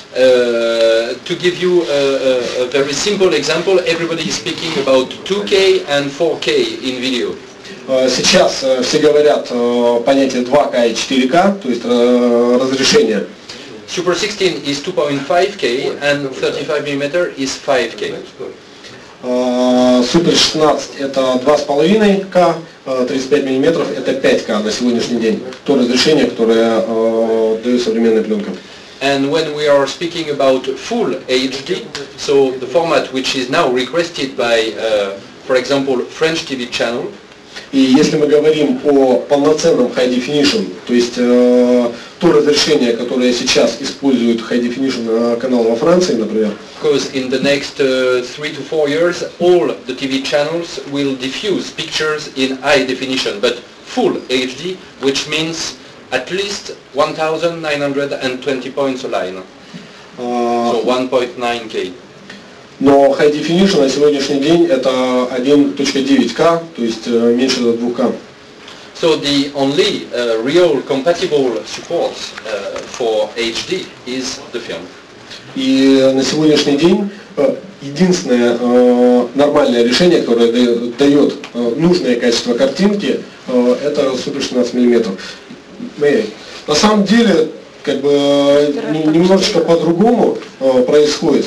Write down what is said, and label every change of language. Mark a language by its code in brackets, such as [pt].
[en] To give you a very simple example, everybody is speaking about 2K and 4K in video. [ru] Сейчас все говорят понятие 2К и 4К, то есть разрешение. [en] Super 16 is 2.5K and 35mm is 5K. [ru] Super 16 это 2.5K, 35mm это 5K на сегодняшний день. То разрешение, которое дает современная пленка. [en] And when we are speaking about full HD, so the format which is now requested by, for example, French TV channel. [ru] И если мы говорим о полноценном high definition, то есть то разрешение, которое сейчас используют high definition каналы во Франции, например. [en] Because in the next 3 to 4 years, all the TV channels will diffuse pictures in high definition, but full HD, which means at least 1920 points a line, so 1.9K. [ru] Но high definition на сегодняшний день это 1.9K, то есть меньше 2K. [en] So the only real compatible support for HD is the film. [ru] И на сегодняшний день единственное нормальное решение, которое дает нужное качество картинки, это Super 16mm. На самом деле, как бы немножечко по-другому происходит.